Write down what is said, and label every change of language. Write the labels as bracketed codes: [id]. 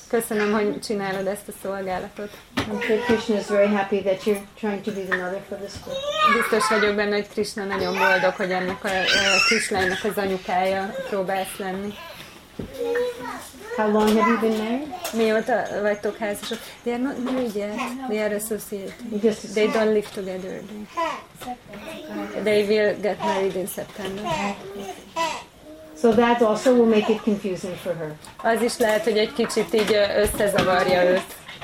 [hu] Köszönöm, hogy csinálod ezt a szolgálatot. [en] I'm sure Krishna is very happy that you're trying to be the mother for this girl. [hu] Biztos vagyok benne, hogy Krishna nagyon boldog, hogy ennek a kislánynak az anyukája próbálsz lenni. [en] How long have you been married? [hu] Mióta vagytok házasok? [en] They are not married yet. They are associated. They don't live together. They will get married in September. So that also will make it confusing for her. [hu] Az is lehet, hogy egy kicsit így összezavarja őt.